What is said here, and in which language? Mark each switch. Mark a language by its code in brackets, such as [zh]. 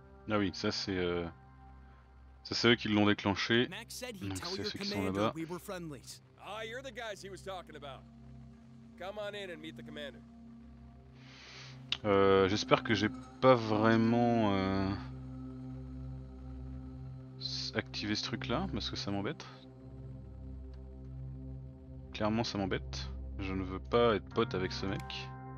[fr] Ah oui, ça c'est eux qui l'ont déclenché. [en] Max said he'd tell your commander we were friendlies. Ah, you're the guys he was talking about. Come on in and meet the commander. [fr] J'espère que j'ai pas vraiment activé ce truc là parce que ça m'embête. Clairement, ça m'embête. Je ne veux pas être pote avec ce mec.